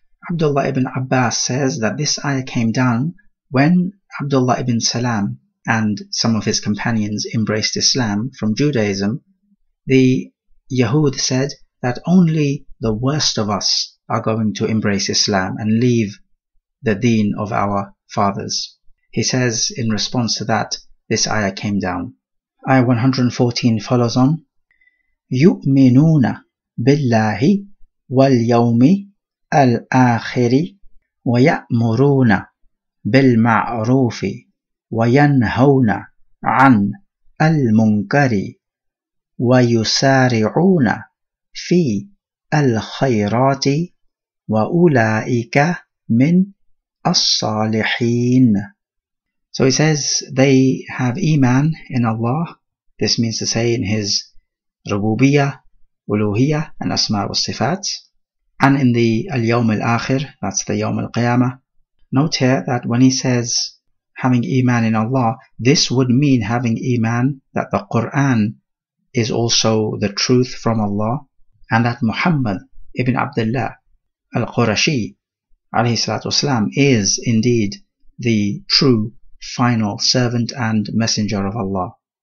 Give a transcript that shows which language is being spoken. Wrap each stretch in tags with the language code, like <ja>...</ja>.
<en>Abdullah ibn Abbas says that this ayah came down when Abdullah ibn Salam and some of his companions embraced Islam from Judaism. The Yahud said that only the worst of us are going to embrace Islam and leave the deen of our fathers. He says in response to that, this ayah came down. Ayah 114 follows on.</en> <ar>يؤمنون بالله واليوم الآخر ويأمرون بالمعروف وينهون عن المنكر ويسارعون في الخيرات وأولئك من الصالحين.</ar> <en>So he says they have iman in Allah. This means to say in his rububiyyah, uluhiyyah and asma wa sifat. And in the al-yawm al-akhir, that's the yawm al-qiyamah. Note here that when he says having iman in Allah, this would mean having iman that the Quran is also the truth from Allah, and that Muhammad ibn Abdullah al-Qurashi alayhi salatu wasalam is indeed the true final servant and messenger of Allah.</en>